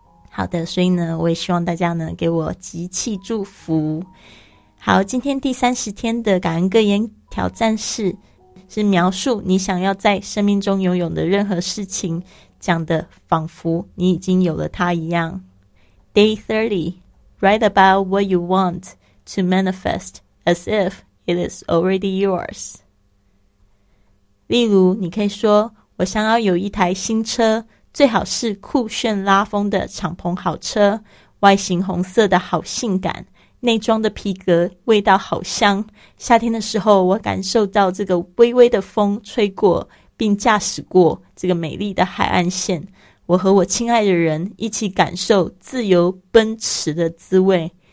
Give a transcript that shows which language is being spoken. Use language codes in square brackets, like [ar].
[zh] 好的，所以呢我也希望大家呢给我集气祝福。好，今天第30天的感恩格言挑战是描述你想要在生命中拥有的任何事情，讲的仿佛你已经有了它一样。 [en] Day 30， Write about what you want to manifest as if it is already yours。 [zh] 例如你可以说，我想要有一台新车，最好是酷炫拉风的敞篷好车，外形红色的好性感，内装的皮革味道好香，夏天的时候我感受到这个微微的风吹过，并驾驶过这个美丽的海岸线，我和我亲爱的人一起感受自由奔驰的滋味。